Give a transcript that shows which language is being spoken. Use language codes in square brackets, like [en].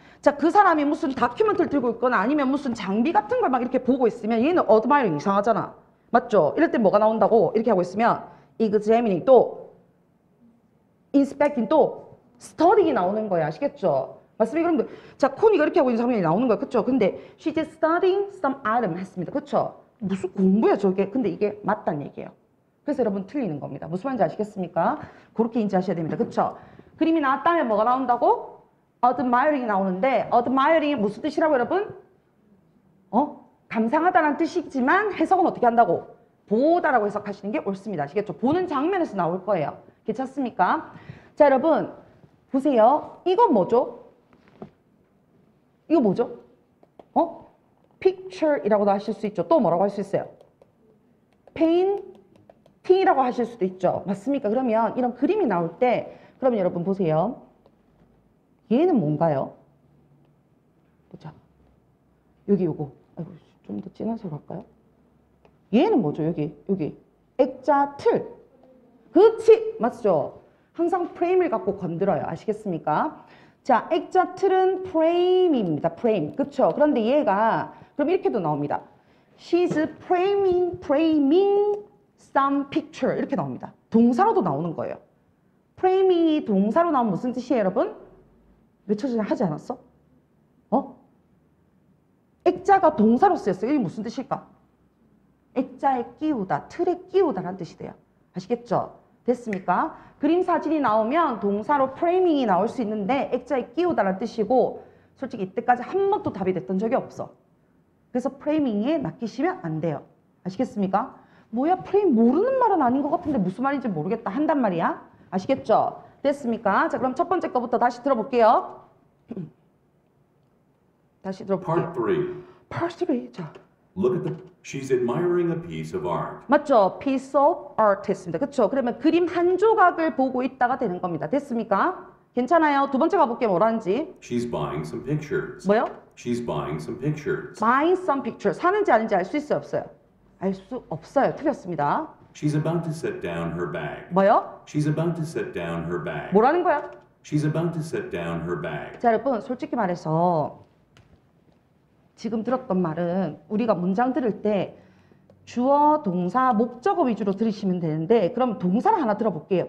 [ko] 자, 그 사람이 무슨 다큐멘터리 들고 있거나 아니면 무슨 장비 같은 걸 막 이렇게 보고 있으면 얘는 admiring 이상하잖아. 맞죠? 이럴 때 뭐가 나온다고 이렇게 하고 있으면 examining 또 inspecting 또 studying 나오는 거야. 아시겠죠? 맞습니다. 그럼 자, 코니가 이렇게 하고 있는 장면이 나오는 거야. 그렇죠? 근데 [en] she's studying some item [ko] 했습니다. 그렇죠? 무슨 공부야 저게? 근데 이게 맞단 얘기예요. 그래서 여러분 틀리는 겁니다. 무슨 말인지 아시겠습니까? 그렇게 인지하셔야 됩니다. 그렇죠? 그림이 나왔다면 뭐가 나온다고? admiring이 나오는데 admiring이 무슨 뜻이라고 여러분? 어? 감상하다라는 뜻이지만 해석은 어떻게 한다고? 보다라고 해석하시는 게 옳습니다. 아시겠죠? 보는 장면에서 나올 거예요. 괜찮습니까? 자, 여러분 보세요. 이건 뭐죠? 이거 뭐죠? 어? picture이라고도 하실 수 있죠. 또 뭐라고 할 수 있어요? painting이라고 하실 수도 있죠. 맞습니까? 그러면 이런 그림이 나올 때 그러면 여러분 보세요. 얘는 뭔가요? 보자. 여기 요거. 아이고, 좀 더 진한 색으로 할까요? 얘는 뭐죠? 여기, 여기. 액자 틀. 그치! 맞죠? 항상 프레임을 갖고 건드려요. 아시겠습니까? 자, 액자 틀은 프레임입니다. 프레임. 그쵸? 그런데 얘가, 그럼 이렇게도 나옵니다. [en] She's framing some picture. [ko] 이렇게 나옵니다. 동사로도 나오는 거예요. framing이 동사로 나오면 무슨 뜻이에요, 여러분? 며칠 전에 하지 않았어? 어? 액자가 동사로 쓰였어요. 이게 무슨 뜻일까? 액자에 끼우다, 틀에 끼우다라는 뜻이 돼요. 아시겠죠? 됐습니까? 그림 사진이 나오면 동사로 프레이밍이 나올 수 있는데 액자에 끼우다라는 뜻이고 솔직히 이때까지 한 번도 답이 됐던 적이 없어. 그래서 프레이밍에 낚이시면 안 돼요. 아시겠습니까? 뭐야, 프레임 모르는 말은 아닌 것 같은데 무슨 말인지 모르겠다 한단 말이야. 아시겠죠? 됐습니까? 자, 그럼 첫 번째 거부터 다시 들어볼게요. 다시 들어볼게요. [en] Part 3. [ko] 자. [en] Look at the she's admiring a piece of art. [ko] 맞죠? [en] Piece of art [ko] 했습니다. 그렇죠? 그러면 그림 한 조각을 보고 있다가 되는 겁니다. 됐습니까? 괜찮아요. 두 번째 가볼게요. 뭐라는지. [en] She's buying some pictures. [ko] 뭐요? [en] She's buying some pictures. Buying some pictures. [ko] 사는지 아닌지 알 수 있어요, 없어요? 알 수 없어요. 틀렸습니다. [en] She's about to set down her bag. [ko] 뭐요? [en] She's about to set down her bag. [ko] 뭐라는 거야? [en] She's about to set down her bag. [ko] 자, 여러분, 솔직히 말해서 지금 들었던 말은 우리가 문장 들을 때 주어, 동사, 목적어 위주로 들으시면 되는데 그럼 동사를 하나 들어볼게요.